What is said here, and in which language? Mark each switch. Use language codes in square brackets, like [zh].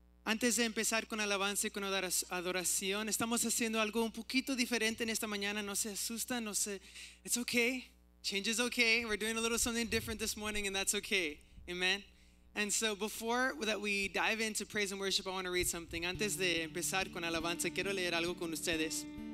[es] Antes de empezar con alabanza y con adoración, estamos haciendo algo un poquito diferente en esta mañana. No se asustan, no sé. [en] It's okay. Change is okay. We're doing a little something different this morning, and that's okay. Amen. And so before that we dive into praise and worship, I want to read something. [es] Antes de empezar con alabanza, quiero leer algo con ustedes.